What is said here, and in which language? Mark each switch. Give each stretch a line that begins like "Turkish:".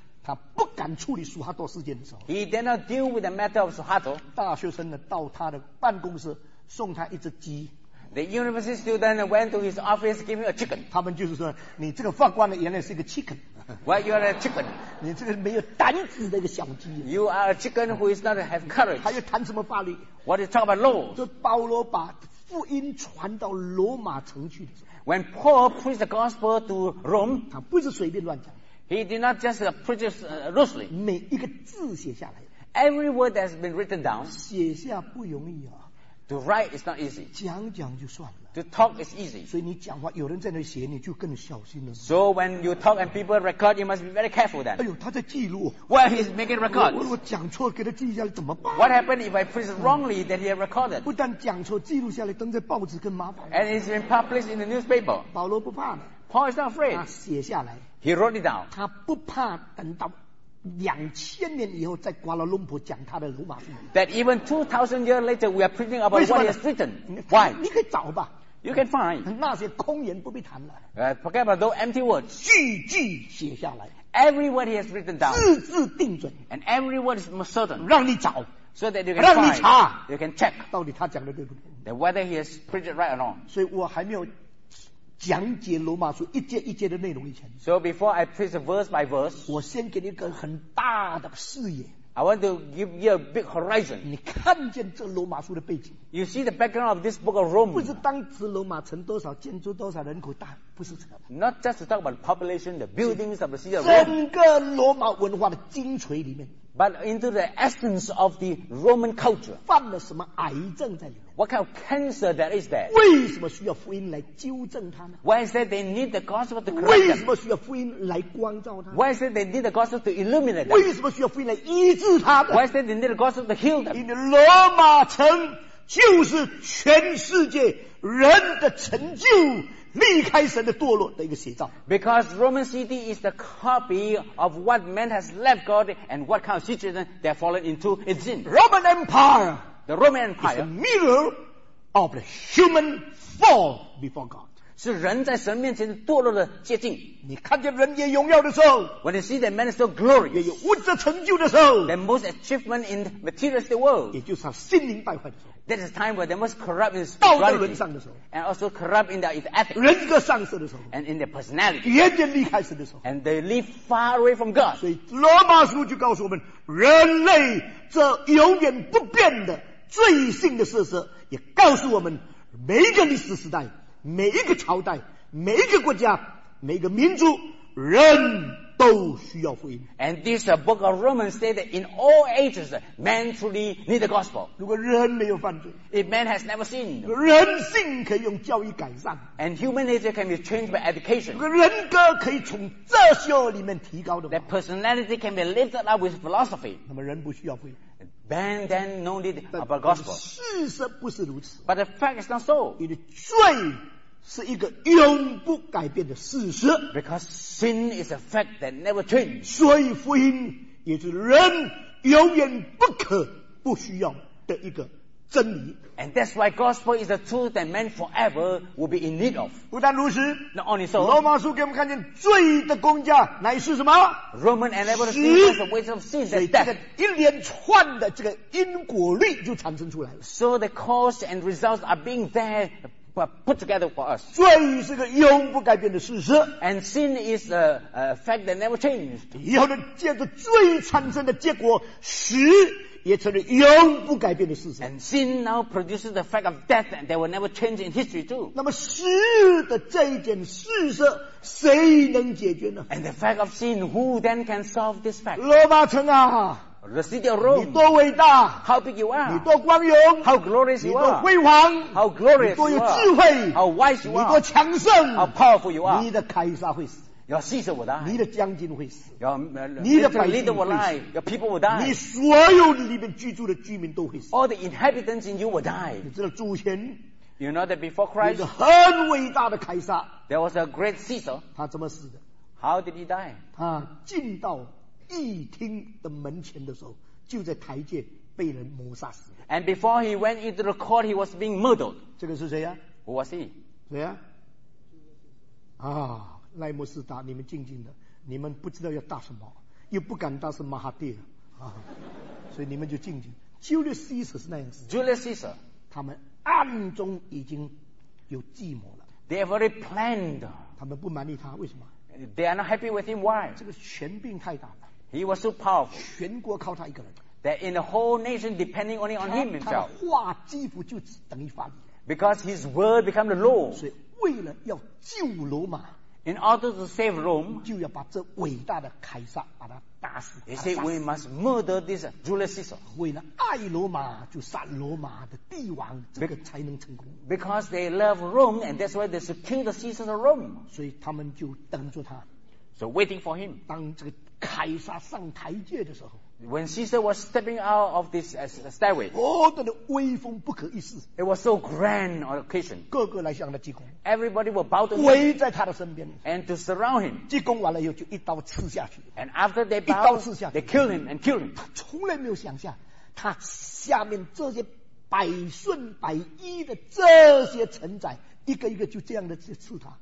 Chinese: 他不敢处理苏哈托事件的时候
English: He did not deal with the matter of Suharto
Chinese: 大学生呢到他的办公室送他一只鸡
English: The university student went to his office give him a chicken
Chinese: 他们就是说你这个法官呢原来是一个 chicken
English: Well you are a chicken
Chinese: 你这个没有胆子的一个小鸡
English: You are a chicken who is not have courage
Chinese: 他又谈什么法律
English: What is talk about law
Chinese: 就保罗把福音传到罗马城去的时候
English: When Paul preached the gospel to Rome
Chinese: 他不是随便乱讲
English: He did not just preach loosely.
Chinese: 每一个字写下来。
English: Every word that has been written down.
Chinese: 写下不容易啊。
English: To write is not easy.
Chinese: 讲讲就算了。
English: To talk is easy.
Chinese: 所以你讲话，有人在那写，你就更小心了。
English: So when you talk and people record, you must be very careful then.
Chinese: 哎呦，他在记录。
English: Well, he's making records.
Chinese: 我讲错，给他记下来怎么办
English: ？What happened if I preach wrongly? Then he recorded.
Chinese: 不但讲错，记录下来，登在报纸更麻烦。
English: And it's been published in the newspaper.
Chinese: 保罗不怕的。
English: Paul is not afraid.
Chinese: 他写下来。
English: He wrote it down.
Chinese: 他不怕等到2000年以后在瓜拉隆坡讲他的罗马福音。
English: That even 2000 years later we are preaching about what he has written. Why?
Chinese: 你可以找吧。
English: You can find.
Chinese: 那些空言不必谈了。
English: Forget about those empty words.
Chinese: 句句写下来。
English: Every word he has written down.
Chinese: 字字定准。
English: And every word is most certain.
Chinese: 让你找。
English: So that you can find.
Chinese: 让你查。
English: You can check.
Chinese: 到底他讲的对不对。
English: That whether he has preached right or wrong.
Chinese: 所以我还没有讲解罗马书一节一节的内容以前
English: So before I preach verse by verse
Chinese: 我先给你一个很大的视野
English: I want to give you a big horizon
Chinese: 你看见这罗马书的背景
English: You see the background of this book of Rome
Chinese: 不是当时罗马城多少建筑多少人口大不是这样
English: Not just to talk about the population the buildings of the city of Rome
Chinese: 整个罗马文化的精髓里面
English: But into the essence of the Roman culture
Chinese: 犯了什么癌症在里面
English: What kind of cancer that is there?
Chinese: 为什么需要福音来纠正他呢
English: Why is that they need the gospel to correct them?
Chinese: 为什么需要福音来光照他
English: Why is that they need the gospel to illuminate them?
Chinese: 为什么需要福音来医治他呢
English: Why is that they need the gospel to heal them?
Chinese: 因为罗马城就是全世界人的成就离开神的堕落的一个写照
English: Because Roman city is the copy of what man has left God and what kind of situation they have fallen into it's in Roman Empire The Roman Empire is a mirror of the human fall before God.
Chinese: 是人在神面前堕落的接近。你看见人也荣耀的时候
English: ，When you see that man is so glorious，
Chinese: 也有物质成就的时候
English: ，The most achievement in materialistic world，
Chinese: 也就是他心灵败坏的时候。
English: That is time where they must corrupt in spirituality and also corrupt in their ethics
Chinese: 人格丧失的时候
English: and in their personality
Chinese: 远远离开神的时候
English: and they live far away from God
Chinese: 所以罗马书就告诉我们人类这永远不变的罪性的事实也告诉我们每一个历史时代每一个朝代每一个国家每一个民族人都需要福音
English: And this is a book of Romans said that in all ages men truly need the gospel
Chinese: 如果人没有犯罪
English: If man has never sinned
Chinese: 人性可以用教育改善
English: And human nature can be changed by education
Chinese: 如果人格可以从哲学里面提高的话
English: That personality can be lifted up with philosophy
Chinese: 那么人不需要福音
English: Man then no need about gospel
Chinese: 事实不是如此
English: But the fact is not so
Chinese: 你的罪是一个永不改变的事实
English: Because sin is a fact that never changes
Chinese: 所以福音也是人永远不可不需要的一个真理
English: And that's why gospel is a truth that man forever will be in need of
Chinese: 不但如此
English: Not only so
Chinese: 罗马书给我们看见罪的工价乃是什么
English: Roman enabled sin is a waste of sin
Chinese: 所以这个一连串的这个因果律就产生出来了
English: So the cause and results are being there put together for us
Chinese: 罪是个永不改变的事实
English: and sin is a fact that never changes
Chinese: 以后呢借着罪产生的结果死也成了永不改变的事实
English: and sin now produces the fact of death and they will never change in history too
Chinese: 那么死的这一件事实谁能解决呢
English: and the fact of sin who then can solve this fact
Chinese: 罗马城啊
English: the city of Rome
Chinese: 你多伟大
English: how big you are
Chinese: 你多光荣
English: how glorious you are
Chinese: 你多辉煌
English: how glorious you are
Chinese: 你多有智慧
English: how wise you are
Chinese: 你多强盛
English: how powerful you are
Chinese: 你的凯撒会死
English: Your Caesar will die.
Chinese: 你的将军会死。
English: Your leader will die. Your people will die.
Chinese: 你所有的里面居住的居民都会死。
English: All the inhabitants in you will die.
Chinese: 你知道主前
English: ，You know that before Christ,
Chinese: 有个很伟大的凯撒
English: ，There was a great Caesar.
Chinese: 他怎么死的
English: ？How did he die?
Chinese: 他进到议厅的门前的时候，就在台阶被人谋杀死。
English: And before he went into the court, he was being murdered.
Chinese: 这个是谁呀、
English: 啊、？Who was he?
Chinese: 谁呀、啊？啊。赖莫斯达，你们静静的，你们不知道要答什么，又不敢答是马哈蒂尔、啊、所以你们就静静。 Julius Caesar 是那样子。 Julius Caesar，他们暗中已经有计谋了。
English: They have already planned。
Chinese: 他们不满意他，为什么
English: ？They are not happy with him. Why？
Chinese: 这个权柄太大了。
English: He was too powerful。
Chinese: 全国靠他一个人。
English: That in the whole nation depending only on him himself。
Chinese: 他的话几乎就等于法律。
English: Because his word became the law。
Chinese: 所以为了要救罗马。
English: In order to save Rome,
Chinese: 就要把这伟大的凯撒把他打死。
English: He said, "We must murder this Julius Caesar."
Chinese: 为了爱罗马，就杀罗马的帝王，这个才能成功。
English: Because they love Rome, and that's why they should kill the Caesar of Rome.
Chinese: 所以他们就等着他。
English: So waiting for him.
Chinese: 当这个凯撒上台阶的时候
English: ，When Caesar was stepping out of this stairway,
Chinese: 何等的威风不可一世
English: ！It was so grand an occasion.
Chinese: 个个来向他鞠躬
English: ，Everybody will bow to him.
Chinese: 围在他的身边
English: ，and to surround him.
Chinese: 鞠躬完了以后，就一刀刺下去
English: ，and after they bow,
Chinese: 一刀刺下去
English: ，they kill him and kill him.
Chinese: 他从来没有想象，他下面这些百顺百依的这些臣宰。一个一个就这样的去刺他。